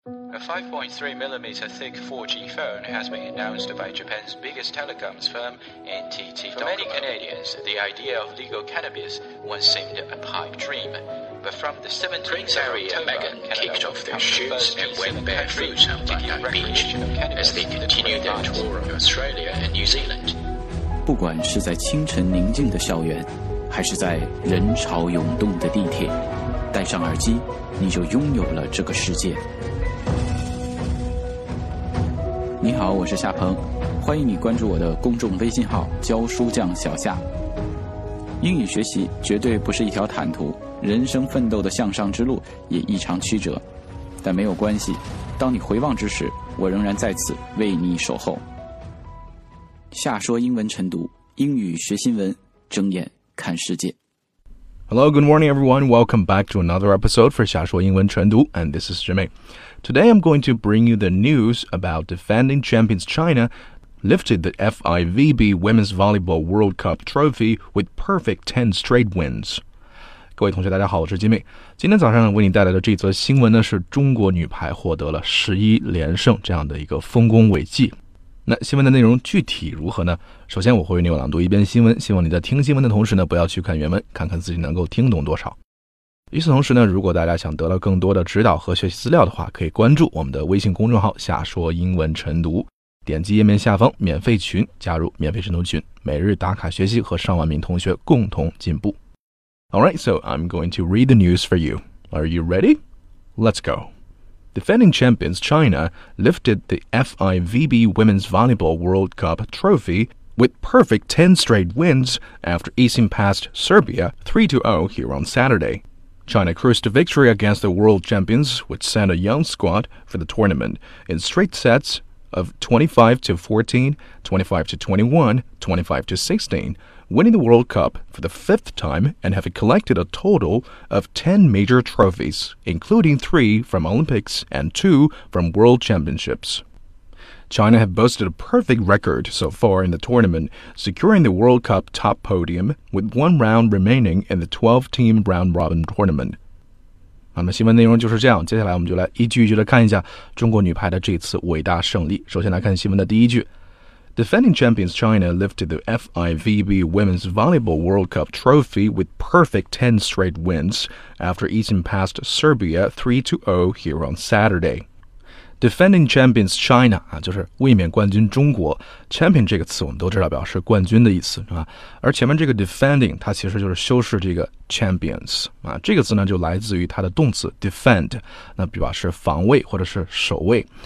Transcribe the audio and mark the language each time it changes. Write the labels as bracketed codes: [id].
[en] A 5.3mm thick 4G phone has been announced by Japan's biggest telecoms firm, NTT Docomo. For many Canadians, the idea of legal cannabis once seemed a pipe dream. But from the 17th of October, Meghan kicked off their shoots and went barefoot on Bondi Beach as they continued their tour of Australia and New Zealand. [zh] 不管是在清晨宁静的校园，还是在人潮涌动的地铁，戴上耳机，你就拥有了这个世界。你好，我是夏鹏，欢迎你关注我的公众微信号教书匠小夏。英语学习绝对不是一条坦途，人生奋斗的向上之路也异常曲折，但没有关系，当你回望之时，我仍然在此为你守候。夏说英文晨读，英语学新闻，睁眼看世界。 [en] Hello, good morning everyone. Welcome back to another episode for 夏说英文晨读, and this is Jimmy. Today I'm going to bring you the news about defending champions China lifted the FIVB Women's Volleyball World Cup trophy with perfect 10 straight wins. [zh] 各位同学大家好，我是 Jimmy。今天早上为你带来的这则新闻呢，是中国女排获得了11连胜这样的一个丰功伟绩。那新闻的内容具体如何呢？首先我会为你朗读一遍新闻，希望你在听新闻的同时呢，不要去看原文，看看自己能够听懂多少。与此同时呢，如果大家想得到更多的指导和学习资料的话，可以关注我们的微信公众号夏说英文晨读，点击页面下方免费群，加入免费晨读群，每日打卡学习和上万名同学共同进步。 [en] Alright, so I'm going to read the news for you. Are you ready? Let's go. Defending champions China lifted the FIVB Women's Volleyball World Cup trophy with perfect 10 straight wins after easing past Serbia 3-0 here on Saturday. China cruised to victory against the world champions, which sent a young squad for the tournament, in straight sets of 25-14, 25-21, 25-16, winning the World Cup for the fifth time and having collected a total of 10 major trophies, including 3 from Olympics and 2 from World Championships. China have boasted a perfect record so far in the tournament, securing the World Cup top podium with one round remaining in the 12-team round-robin tournament. [zh] 那么新闻内容就是这样，接下来我们就来一句一句的看一下中国女排的这次伟大胜利。首先来看新闻的第一句。 [en] Defending champions China lifted the FIVB Women's Volleyball World Cup trophy with perfect 10 straight wins after easing past Serbia 3-0 here on Saturday. Defending champions China, [zh] 就是卫冕冠军中国。 Champion 这个词我们都知道表示冠军的意思，是吧？而前面这个 defending, 它其实就是修饰这个 champions。这个字呢就来自于它的动词 defend, 那表示防卫或者是守卫。